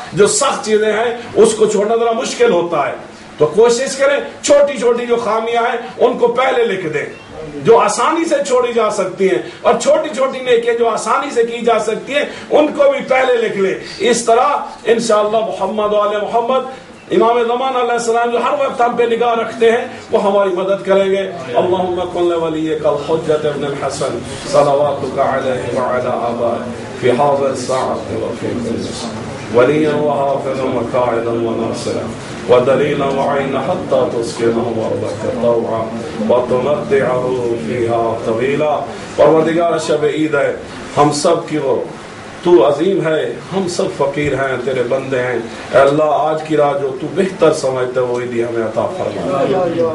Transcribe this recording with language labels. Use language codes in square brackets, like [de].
[ur] جو سخت چیزیں ہیں اس کو چھوڑنا ذرا مشکل ہوتا ہے, تو کوشش کریں چھوٹی چھوٹی جو خامیاں ہیں ان کو پہلے لکھ دیں جو آسانی سے چھوڑی جا سکتی ہیں, اور چھوٹی چھوٹی نیکیاں جو آسانی سے کی جا سکتی ہیں ان کو بھی پہلے لکھ لیں. اس طرح انشاءاللہ محمد وآل محمد امام زمان علیہ السلام جو ہر وقت ہم پہ نگاہ رکھتے ہیں وہ ہماری مدد کریں گے. [ar] اللہم کن لولیک الحجت ابن الحسن صلواتک علیہ وعلا آبائے فی حاضر ساعت وفی قلت وليا وحافظا وقاعدا وناصرا ودليلا وعينا حتى تسكنه ارضك طوعا وتمتعه فيها طويلا. [ur] پروردگار شب عید ہے ہم سب کی, وہ تو عظیم ہے ہم سب فقیر ہیں تیرے بندے ہیں. اے اللہ آج کی رات جو تو بہتر سمجھتا ہے وہ عید ہمیں عطا فرما.